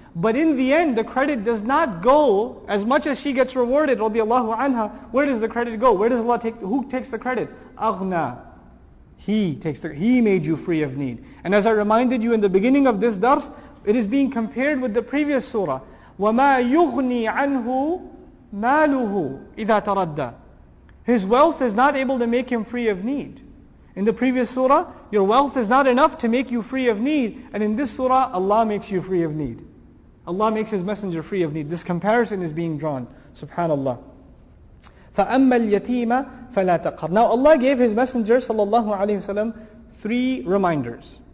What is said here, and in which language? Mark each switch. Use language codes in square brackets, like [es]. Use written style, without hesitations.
[en] But in the end, the credit does not go, as much as she gets rewarded radiallahu anha, where does the credit go? Where does Allah take, who takes the credit? Aghna. He made you free of need. And as I reminded you in the beginning of this dars, it is being compared with the previous surah. [ar] وَمَا يُغْنِي عَنْهُ مَالُهُ إِذَا تَرَدَّى. [en] His wealth is not able to make him free of need. In the previous surah, your wealth is not enough to make you free of need. And in this surah, Allah makes you free of need. Allah makes His Messenger free of need. This comparison is being drawn. SubhanAllah. [ar] فَأَمَّا الْيَتِيمَ فَلَا تَقْهَرْ. [en] Now Allah gave His Messenger sallallahu alayhi wa sallam three reminders.